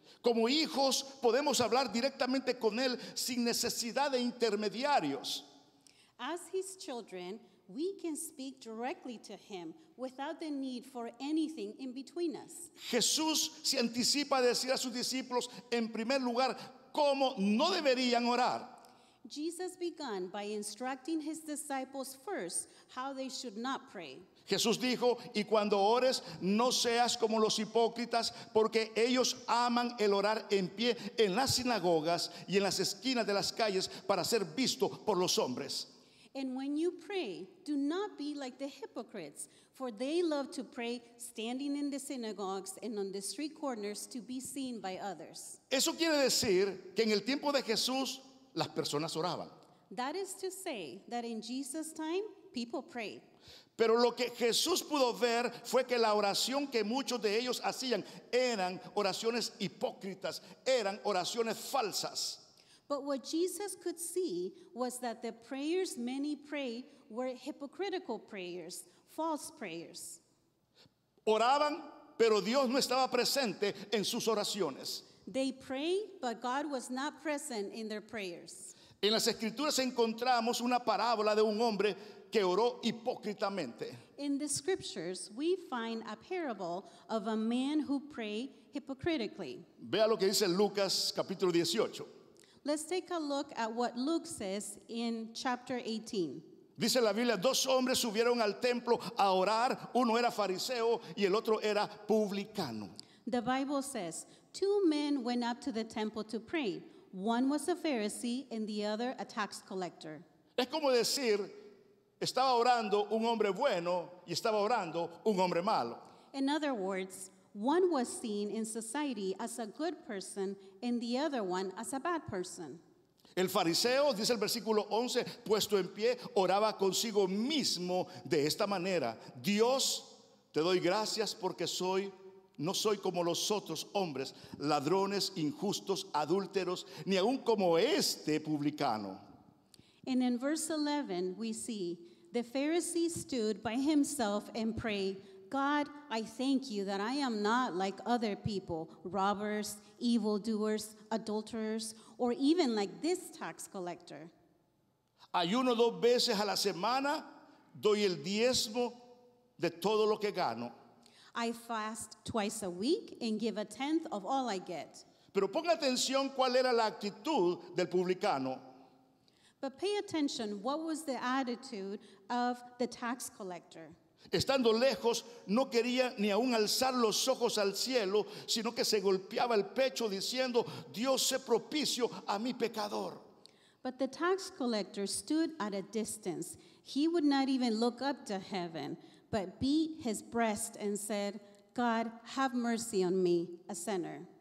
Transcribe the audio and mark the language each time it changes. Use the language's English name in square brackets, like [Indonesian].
[Spanish] Como hijos, podemos hablar directamente con él sin necesidad de intermediarios. [English] As his children, we can speak directly to him without the need for anything in between us. [Spanish] Jesús se anticipa a decir a sus discípulos, en primer lugar, cómo no deberían orar. [English] Jesus began by instructing his disciples first how they should not pray. [Spanish] Jesús dijo, y cuando ores, no seas como los hipócritas, porque ellos aman el orar en pie en las sinagogas y en las esquinas de las calles para ser visto por los hombres. [English] And when you pray, do not be like the hypocrites, for they love to pray standing in the synagogues and on the street corners to be seen by others. [Spanish] Eso quiere decir que en el tiempo de Jesús, las personas oraban. [English] That is to say that in Jesus' time, people prayed. [Spanish] Pero lo que Jesús pudo ver fue que la oración que muchos de ellos hacían eran oraciones hipócritas, eran oraciones falsas. [English] But what Jesus could see was that the prayers many prayed were hypocritical prayers, false prayers. [Spanish] Oraban, pero Dios no estaba presente en sus oraciones. [English] They prayed, but God was not present in their prayers. [Spanish] En las Escrituras encontramos una parábola de un hombre que oró hipócritamente. [English] In the Scriptures, we find a parable of a man who prayed hypocritically. [Spanish] Vea lo que dice Lucas capítulo 18. [English] Let's take a look at what Luke says in chapter 18. [Spanish] Dice la Biblia, dos hombres subieron al templo a orar. Uno era fariseo y el otro era publicano. [English] The Bible says, two men went up to the temple to pray. One was a Pharisee and the other a tax collector. [Spanish] Es como decir, estaba orando un hombre bueno y estaba orando un hombre malo. [English] In other words, one was seen in society as a good person and the other one as a bad person. [Spanish] El fariseo, dice el versículo 11, puesto en pie, oraba consigo mismo de esta manera. Dios, te doy gracias porque no soy como los otros hombres, ladrones, injustos, adúlteros, ni aun como este publicano. [English] And in verse 11, we see the Pharisee stood by himself and prayed, God, I thank you that I am not like other people, robbers, evildoers, adulterers, or even like this tax collector. [Spanish] Ayuno dos veces a la semana, doy el diezmo de todo lo que gano. [English] I fast twice a week and give a tenth of all I get. [Spanish] Pero ponga atención cuál era la actitud del publicano. [English] But pay attention, what was the attitude of the tax collector? [Spanish] Estando lejos, no quería ni aún alzar los ojos al cielo, sino que se golpeaba el pecho diciendo, Dios, sé propicio a mi pecador. [English] But the tax collector stood at a distance. He would not even look up to heaven, but beat his breast and said, God, have mercy on me, a sinner.